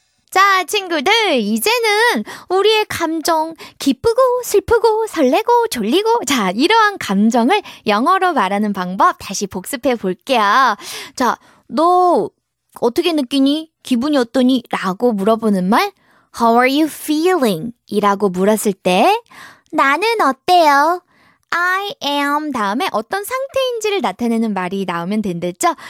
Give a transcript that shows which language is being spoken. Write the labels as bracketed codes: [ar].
[ko] 자, 친구들, 이제는 우리의 감정, 기쁘고 슬프고 설레고 졸리고, 자, 이러한 감정을 영어로 말하는 방법 다시 복습해 볼게요. 자, 너 어떻게 느끼니? 기분이 어떠니? 라고 물어보는 말, [en] How are you feeling? [ko] 이라고 물었을 때, 나는 어때요? [en] I am [ko] 다음에 어떤 상태인지를 나타내는 말이 나오면 된댔죠?